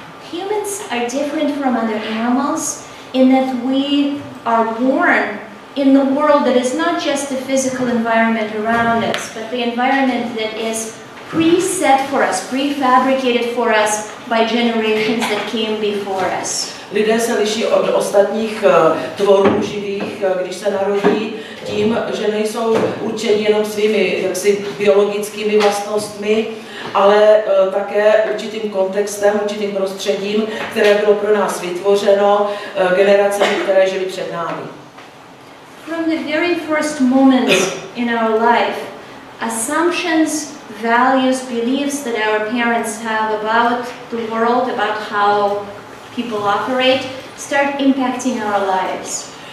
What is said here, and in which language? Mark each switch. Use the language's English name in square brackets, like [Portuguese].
[English] Humans are different from other animals in that we are born in the world that is not just the physical environment around us, but the environment that is preset for us, prefabricated for us by generations that came before us. [Czech] Lidé se liší od ostatních tvorů živých, když se narodí, tím, že nejsou určeni jenom svými jaksi biologickými vlastnostmi, ale také určitým kontextem, určitým prostředím, které bylo pro nás vytvořeno generacemi, které žili před námi. [English] From the very first moments in our life, assumptions, values, beliefs that our parents have about the world, about how people operate, start impacting our lives.